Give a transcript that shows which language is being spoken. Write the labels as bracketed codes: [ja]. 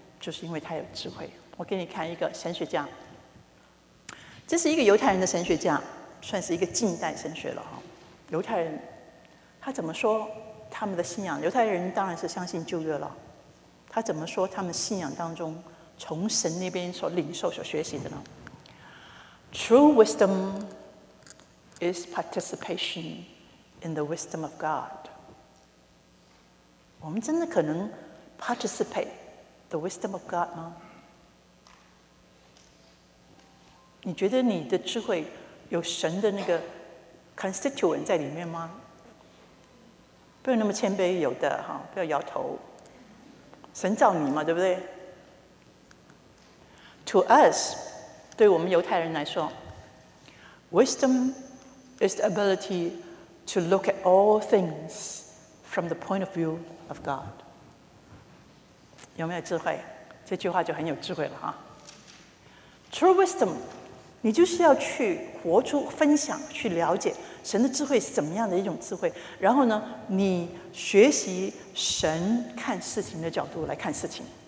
[zh] 就是因为他有智慧。我给你看一个神学家，这是一个犹太人的神学家，算是一个近代神学了。犹太人他怎么说他们的信仰，犹太人当然是相信旧约了，他怎么说他们信仰当中从神那边所领受所学习的呢？ [en] True wisdom is participation in the wisdom of God. [zh] 我们真的可能 [en] participate the wisdom of God [zh] 吗？你觉得你的智慧有神的那个 constituent 在里面吗？不要那么谦卑，有的，不要摇头。神造你嘛，对不对？ [en] To us, [zh] 对我们犹太人来说， [en] wisdom is the ability to look at all things from the point of view of God. [zh] 有没有智慧？这句话就很有智慧了哈。 [en] True wisdom, [zh] 你就是要去活出分享，去了解神的智慧是怎么样的一种智慧，然后呢，你学习神看事情的角度来看事情。